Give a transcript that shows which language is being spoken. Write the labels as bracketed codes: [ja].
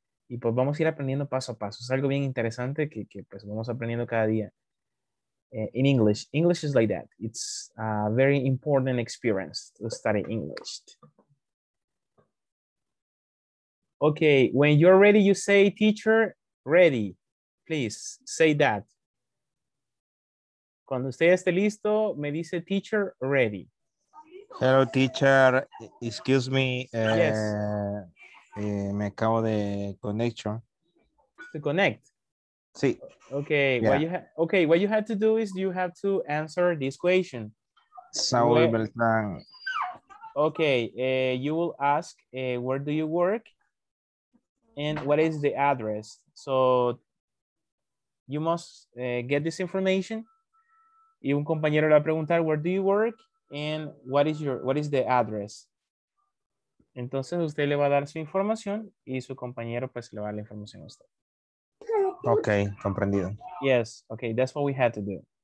[es] Y pues vamos a ir aprendiendo paso a paso. Es algo bien interesante que pues vamos aprendiendo cada día. [en] In English. English is like that. It's a very important experience to study English. Okay, when you're ready, you say, teacher, ready. Please, say that. [es] Cuando usted esté listo, me dice, teacher, ready. [en] Hello, teacher. Excuse me. Yes. [es] Me acabo de conexión. [en] To connect? [es] Sí. [en] Okay. Yeah. What you have to do is you have to answer this question. Saúl Beltrán. Okay. You will ask, where do you work? And what is the address? So you must get this information. [es] Y un compañero le va a preguntar, [en] where do you work? And what is the address? [es] Entonces usted le va a dar su información y su compañero pues le va a dar la información a usted. Okay, comprendido. [en] Yes, okay, that's what we had to do.